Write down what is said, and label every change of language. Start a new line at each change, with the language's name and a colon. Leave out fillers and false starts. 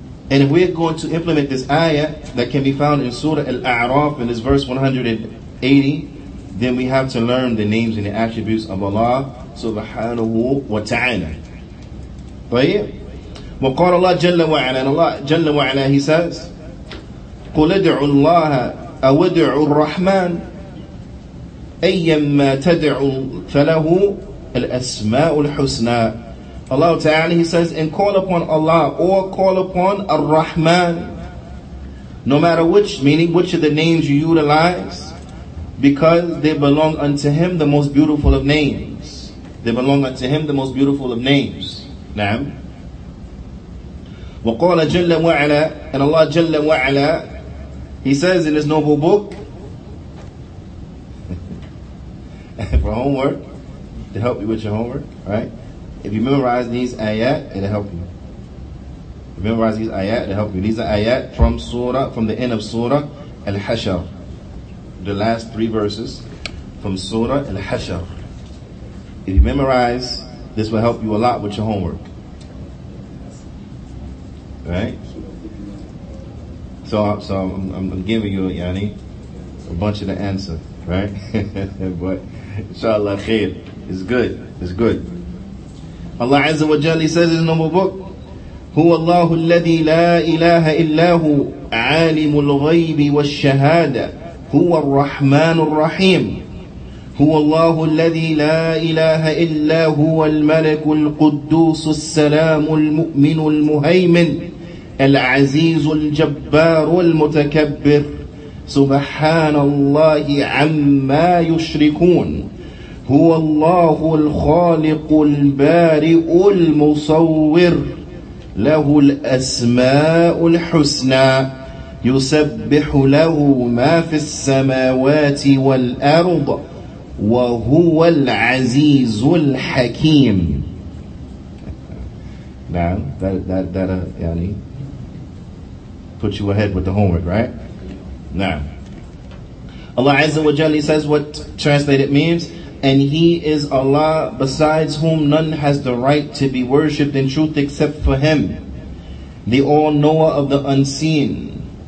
English: And if we're going to implement this ayah that can be found in Surah Al-A'raf in this verse 180, then we have to learn the names and the attributes of Allah subhanahu wa ta'ala.
Arabic: طيب. وقال الله جل وعلا.
English: And Allah
Arabic: جل وعلا,
English: he says,
Arabic: قل ادعوا الله أودعوا الرحمن أيما تدعوا فله الأسماء الحسنى.
English: Allah Ta'ala, he says, and call upon Allah or call upon Ar-Rahman, no matter which, meaning which of the names you utilize, because they belong unto him the most beautiful of names. They belong unto him the most beautiful of names. Naam.
Arabic: وقال جل وعلا,
English: and Allah جل وعلا, he says in his noble book, for homework, to help you with your homework, right? If you memorize these ayat, it'll help you. If you memorize these ayat, it'll help you. These are ayat from surah, from the end of Surah Al-Hashr. The last three verses from Surah Al-Hashr. If you memorize, this will help you a lot with your homework. Right? So I'm giving you, yani, a bunch of the answer, right? But inshallah khair, it's good, it's good. Allah Azza wa Jalla says in the noble book,
Arabic: هُوَ اللَّهُ الَّذِي لَا إِلَهَ إِلَّا هُوَ عَالِمُ الْغَيْبِ وَالشَّهَادَةِ هُوَ الرَّحْمَنُ الرَّحِيمُ هُوَ اللَّهُ الَّذِي لَا إِلَهَ إِلَّا هُوَ الْمَلِكُ الْقُدُّوسُ السَّلَامُ الْمُؤْمِنُ الْمُهَيْمِنُ العزيز الجبار المتكبر سبحان الله عما يشركون هو الله الخالق البارئ المصور له الأسماء الحسنى يسبح له ما في السماوات والأرض وهو العزيز الحكيم. نعم. يعني
English: put you ahead with the homework, right? Now, Allah Azza wa Jalla says what translated means, and he is Allah besides whom none has the right to be worshipped in truth except for him, the all-knower of the unseen.